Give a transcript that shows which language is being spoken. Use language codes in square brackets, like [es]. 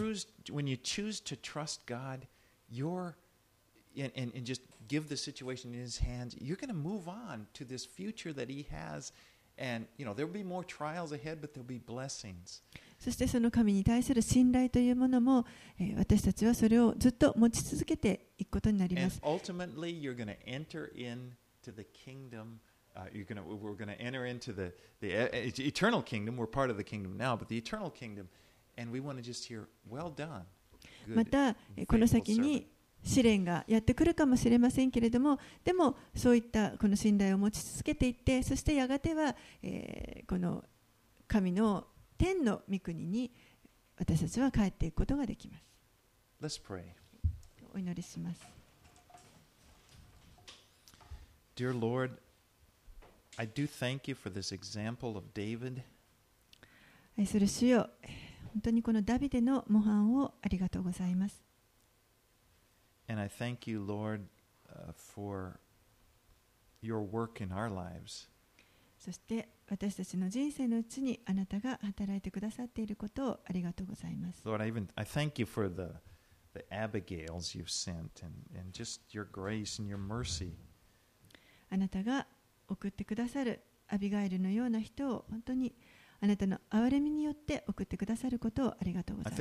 [en] When you choose to trust God, and just give the situation in His hands, you're going to move on to this future that He has, and you know, there'll be more trials ahead, but there'll be blessings. [ja] そしてその神に対する信頼というものも、私たちはそれをずっと持ち続けていくことになります。 [en] And ultimately, you're going to enter into the kingdom. We're going to enter into the eternal kingdom. We're part of the kingdom now, but the eternal kingdom. And we want to just hear, well done. [ja] また、この先に試練がやってくるかもしれませんけれども、でもそういったこの信頼を持ち続けていって、そしてやがては、この神の天の御国に私たちは帰っていくことができます。 [en] Let's pray. [ja] お祈りします。 [en] Dear Lord. I do thank you for this example of David. [ja] 愛する主よ、本当にこのダビデの模範をありがとうございます。 [en] And I thank you, Lord, for your work in our lives. [ja] そして私たちの人生のうちにあなたが働いてくださっていることをありがとうございます。 [en] Lord, I thank you for the Abigails you've sent and just your grace and your mercy. [ja] あなたが送ってくださるアビガイルのような人を本当にあなたの憐れみによって送ってくださることをありがとうございます。